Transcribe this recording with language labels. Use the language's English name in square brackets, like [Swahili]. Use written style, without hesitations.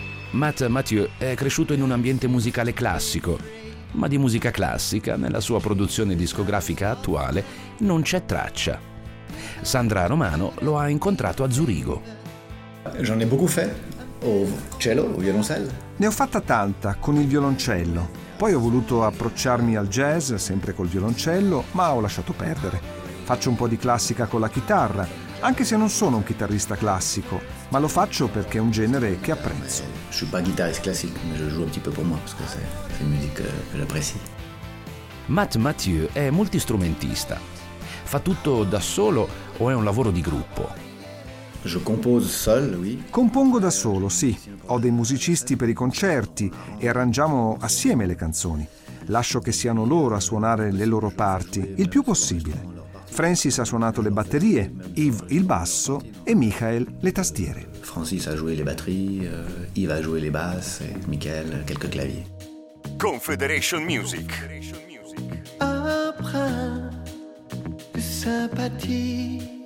[Italian] Matt Mathieu è cresciuto in un ambiente musicale classico, ma di musica classica nella sua produzione discografica attuale non c'è traccia. Sandra Romano lo ha incontrato a Zurigo. [French] J'en ai beaucoup fait, au cello, au violoncello. [Italian] Ne ho fatta tanta con il violoncello. Poi ho voluto approcciarmi al jazz sempre col violoncello, ma ho lasciato perdere. Faccio un po' di classica con la chitarra, anche se non sono un chitarrista classico, ma lo faccio perché è un genere che apprezzo. [French] Je suis pas guitariste classique, mais je joue un petit peu pour moi parce que c'est une musique que j'apprécie. [Italian] Matt Mathieu è multistrumentista. Fa tutto da solo o è un lavoro di gruppo? [French] Je compose seul, oui. [Italian] Compongo da solo, sì. Ho dei musicisti per i concerti e arrangiamo assieme le canzoni. Lascio che siano loro a suonare le loro parti il più possibile. Francis ha suonato le batterie, Yves il basso e Michael le tastiere. [French] Francis ha joué les batteries, Yves a joué les basses et Michael quelques claviers. [Italian] Confederation Music. [French] Un brin de sympathie.